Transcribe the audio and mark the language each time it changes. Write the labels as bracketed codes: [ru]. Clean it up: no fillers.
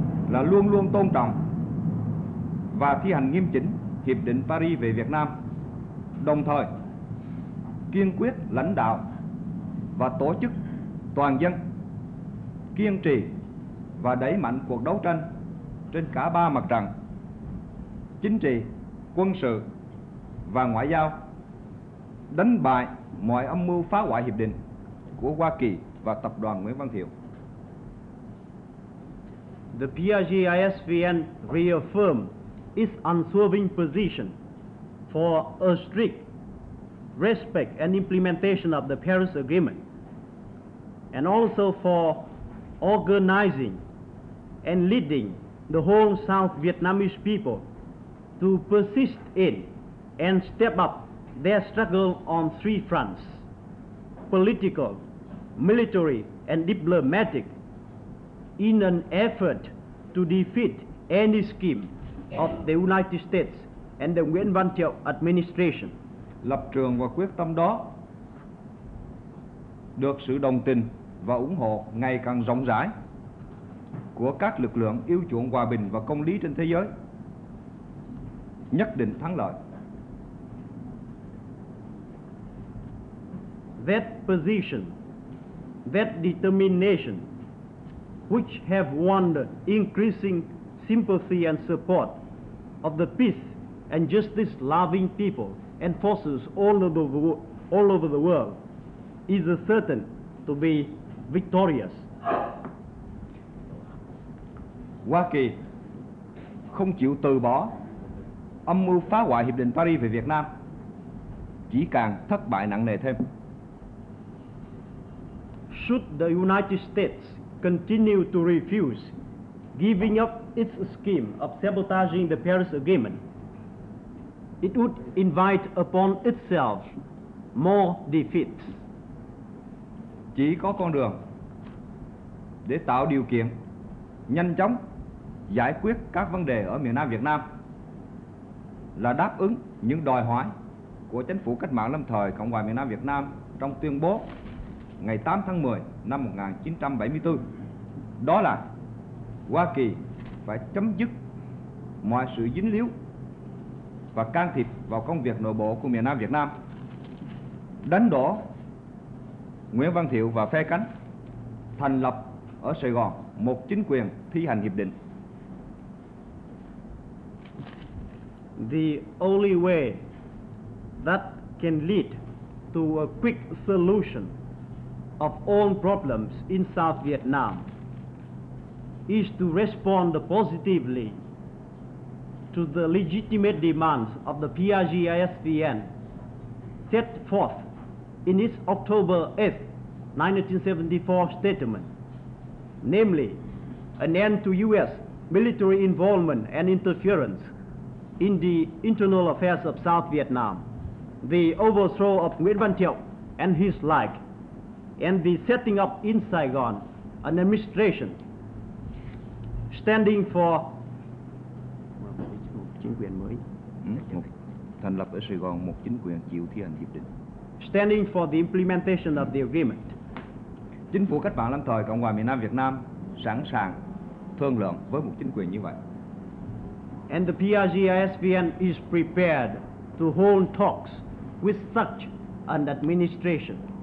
[vi] là luôn luôn tôn trọng và thi hành nghiêm chỉnh Hiệp định Paris về Việt Nam, đồng thời kiên quyết lãnh đạo và tổ chức toàn dân kiên trì và đẩy mạnh cuộc đấu tranh trên cả ba mặt trận chính trị, quân sự và ngoại giao, đánh bại mọi âm mưu phá hoại hiệp định của Hoa Kỳ và tập đoàn Nguyễn Văn Thiệu. [en] The PRG-ISVN reaffirmed its unswerving position for a strict respect and implementation of the Paris Agreement, and also for organizing and leading the whole South Vietnamese people to persist in and step up their struggle on three fronts: political, military, and diplomatic, in an effort to defeat any scheme of the United States and the Nguyễn Văn Thiệu administration. [vi] Lập trường và quyết tâm đó được sự đồng tình và ủng hộ ngày càng rộng rãi của các lực lượng yêu chuộng hòa bình và công lý trên thế giới. Nhất định thắng lợi. [en] That position, that determination, which have won the increasing sympathy and support of the peace and justice loving people and forces all over the world, is certain to be victorious. [vi] Hoa Kỳ không chịu từ bỏ âm mưu phá hoại Hiệp định Paris về Việt Nam, chỉ càng thất bại nặng nề thêm. [en] Should the United States continue to refuse giving up its scheme of sabotaging the Paris Agreement, it would invite upon itself more defeats. [vi] Chỉ có con đường để tạo điều kiện nhanh chóng giải quyết các vấn đề ở miền Nam Việt Nam là đáp ứng những đòi hỏi của chính phủ cách mạng lâm thời Cộng hòa miền Nam Việt Nam trong tuyên bố ngày 8 tháng 10 năm 1974, đó là Hoa Kỳ phải chấm dứt mọi sự dính líu và can thiệp vào công việc nội bộ của miền Nam Việt Nam, đánh đổ Nguyễn Văn Thiệu và phe cánh, thành lập ở Sài Gòn một chính quyền thi hành hiệp định. [en] The only way that can lead to a quick solution of all problems in South Vietnam is to respond positively to the legitimate demands of the PRG-ISVN set forth in its October 8, 1974 statement, namely an end to U.S. military involvement and interference in the internal affairs of South Vietnam, the overthrow of Nguyễn Văn Thiệu and his like, and the setting up in Saigon an administration standing for [vi] chính quyền mới. Thành lập ở Sài Gòn một chính quyền chịu thi hành hiệp định. [en] Standing for the implementation of the agreement. [vi] Chính phủ cách mạng lâm thời Cộng hòa miền Nam Việt Nam sẵn sàng thương lượng với một chính quyền như vậy. [en] And the PRG-ISVN is prepared to hold talks with such an administration.